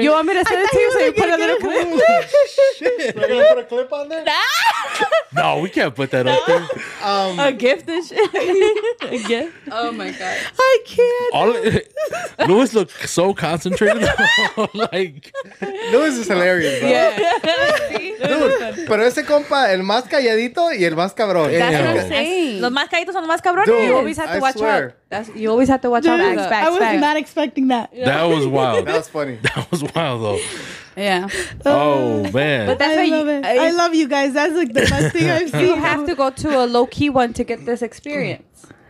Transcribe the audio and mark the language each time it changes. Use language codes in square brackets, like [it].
[en] You want me to send it to you so you put a little clip? Shit. We're going to put a clip on there? Nah. No, we can't put that up there. A gift and shit? A gift? Oh, my God. I can't. Louis looked so concentrated. Like, Louis is hilarious, bro. Yeah. [es] Dude, pero ese compa, el más calladito y el más cabrón. [en] That's what I'm saying. [es] Los más calladitos son los más cabrones. [en] Dude, you always have to watch out. You always have to watch out. I was not expecting that. Yeah. That was wild. That was funny. That was wild, though. Yeah. Oh man. But that's I love it. I love you guys. That's like the best thing I've seen. You have to go to a low key one to get this experience.